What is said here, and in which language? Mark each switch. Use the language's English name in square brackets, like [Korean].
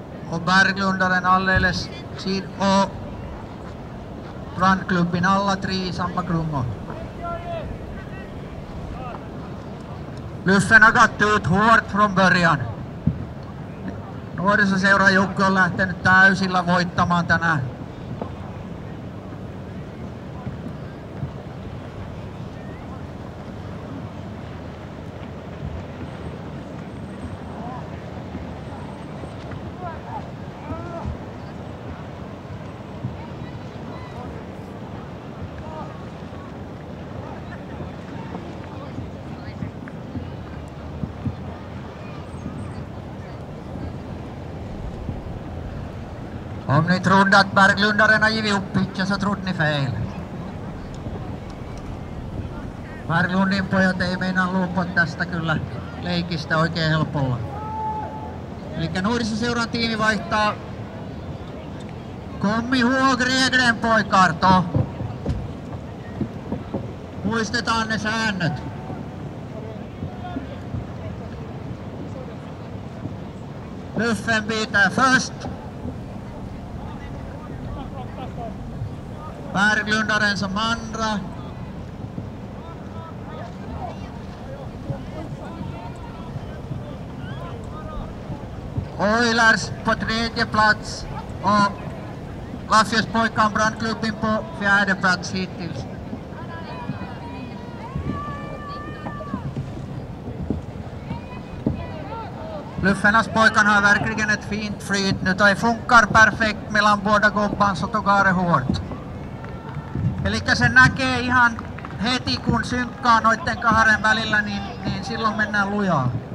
[Swedish] Och Berglundaren alldeles sin och Brandklubbin alla tre i samma krungo. Lyffen har gått ut hårt från början. [Finnish] Nuorisoseuran Jukka on lähtenyt täysillä voittamaan tänään. [Swedish] Om ni trodde att Berglundaren har givit upp pitchen så trodde ni fel. [Finnish] Berglundin pojat ei meinaa luopua tästä kyllä leikistä oikein helpolla. Elikkä nuorisoseuran tiimi vaihtaa Kommi Huogregren poikarto. Muistetaan ne säännöt. [Swedish] Lyffen pitää first. Berglundaren som andra. Oilers på tredje plats. Och Lafjus pojkan Brandklubbin på fjärde plats hittills. Lyffenas pojkan har verkligen ett fint flyt nu. Det funkar perfekt mellan båda gubbarna så tog det hårt. [Finnish] Elikkä se näkee ihan heti, kun synkkaa noitten kahden välillä, niin silloin mennään lujaa.